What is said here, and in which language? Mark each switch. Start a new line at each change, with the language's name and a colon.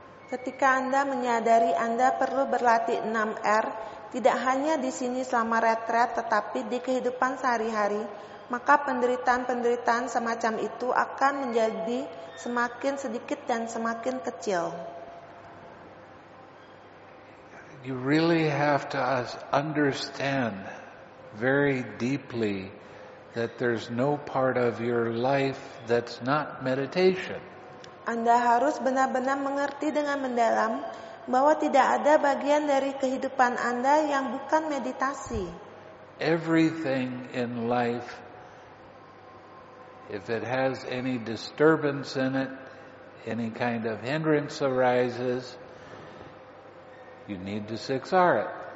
Indonesian: Ketika Anda menyadari Anda perlu berlatih 6R, tidak hanya di sini selama retret, tetapi di kehidupan sehari-hari, maka penderitaan-penderitaan semacam itu akan menjadi semakin sedikit dan semakin kecil.
English: You really have to understand very deeply that there's no part of your life that's not meditation.
Indonesian: Anda harus benar-benar mengerti dengan mendalam bahwa tidak ada bagian dari kehidupan Anda yang bukan meditasi.
English: Everything in life, if it has any disturbance in it, any kind of hindrance arises, you need to 6R it.